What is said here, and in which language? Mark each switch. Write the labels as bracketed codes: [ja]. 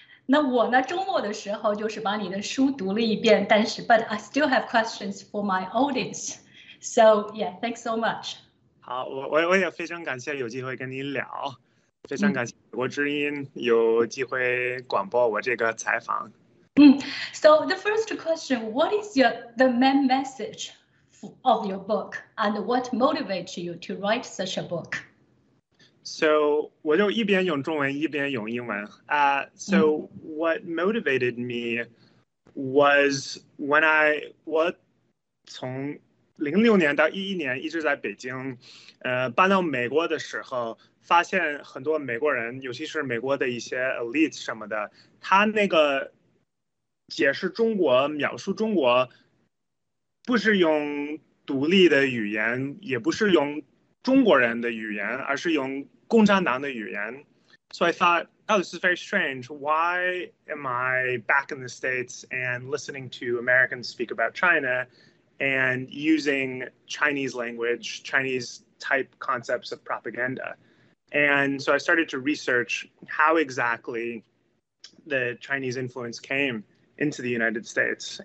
[zh] 那我呢，周末的时候就是把你的书读了一遍，但是 [en] but I still have questions for my audience. So yeah, thanks so much. [zh] 好，我也非常感谢有机会跟您聊，非常感谢美国之音有机会广播我这个采访。 [en] So the first question, what is the main message of your book, and what motivates you to write such a book? [zh] So 我就一边用中文一边用英文。 [en] So what motivated me was when I [zh] 我从2006年到2011年一直在北京，搬到美国的时候，发现很多美国人，尤其是美国的一些 elite 什么的，他那个解释中国、描述中国，不是用独立的语言，也不是用中国人的语言，而是用共产党的语言。 [en] So I thought that was very strange. Why am I back in the States and listening to Americans speak about China and using Chinese language, Chinese type concepts of propaganda? And so I started to research how exactly the Chinese influence came into the United States.